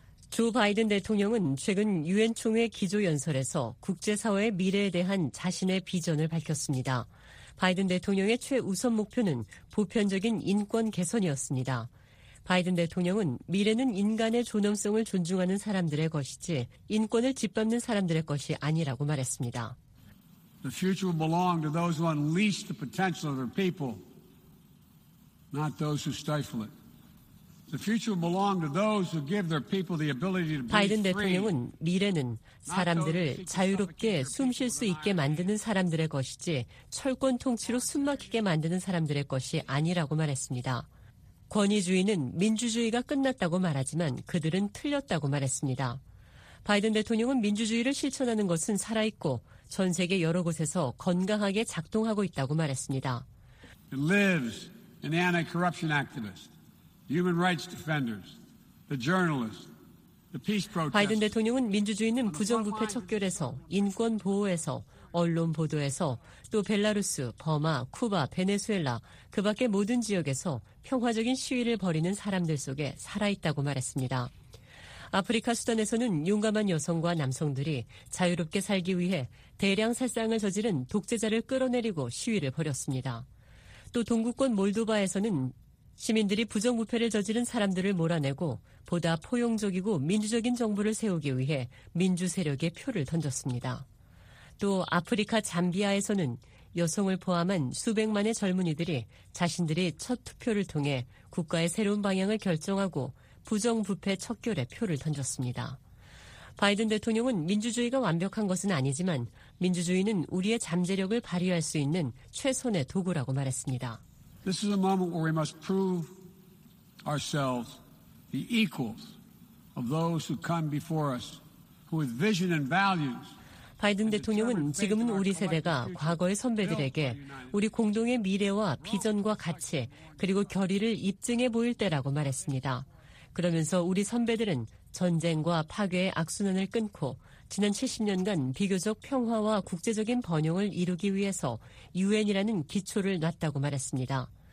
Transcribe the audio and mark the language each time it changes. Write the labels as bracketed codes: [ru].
[ko] 조 바이든 대통령은 최근 유엔 총회 기조연설에서 국제사회의 미래에 대한 자신의 비전을 밝혔습니다. 바이든 대통령의 최우선 목표는 보편적인 인권 개선이었습니다. 바이든 대통령은 미래는 인간의 존엄성을 존중하는 사람들의 것이지 인권을 짓밟는 사람들의 것이 아니라고 말했습니다. [en] The future will belong to those who unleash the potential of their people, not those who stifle it. The future will belong to those who give their people the ability to breathe [ko] 바이든 대통령은 미래는 사람들을 자유롭게 숨쉴 수 있게 만드는 사람들의 것이지 철권 통치로 숨막히게 만드는 사람들의 것이 아니라고 말했습니다. 권위주의는 민주주의가 끝났다고 말하지만 그들은 틀렸다고 말했습니다. 바이든 대통령은 민주주의를 실천하는 것은 살아있고 전 세계 여러 곳에서 건강하게 작동하고 있다고 말했습니다. [en] It lives in the anti-corruption activists, human rights defenders, the journalists, the peace protesters. [ko] 바이든 대통령은 민주주의는 부정부패 척결에서, 인권 보호에서, 언론 보도에서, 또 벨라루스, 버마, 쿠바, 베네수엘라, 그 밖의 모든 지역에서 평화적인 시위를 벌이는 사람들 속에 살아있다고 말했습니다. 아프리카 수단에서는 용감한 여성과 남성들이 자유롭게 살기 위해 대량 살상을 저지른 독재자를 끌어내리고 시위를 벌였습니다. 또 동구권 몰도바에서는 시민들이 부정부패를 저지른 사람들을 몰아내고 보다 포용적이고 민주적인 정부를 세우기 위해 민주세력의 표를 던졌습니다. 또 아프리카 잠비아에서는 여성을 포함한 수백만의 젊은이들이 자신들이 첫 투표를 통해 국가의 새로운 방향을 결정하고 부정부패 척결에 표를 던졌습니다. 바이든 대통령은 민주주의가 완벽한 것은 아니지만 민주주의는 우리의 잠재력을 발휘할 수 있는 최선의 도구라고 말했습니다. [en] This is a moment where we must prove ourselves the equals of those who come before us who with vision and values. [ko] 바이든 대통령은 지금은 우리 세대가 과거의 선배들에게 우리 공동의 미래와 비전과 가치 그리고 결의를 입증해 보일 때라고 말했습니다. 그러면서 우리 선배들은 전쟁과 파괴의 악순환을 끊고 지난 70년간 비교적 평화와 국제적인 번영을 이루기 위해서 유엔이라는 기초를 놨다고 말했습니다.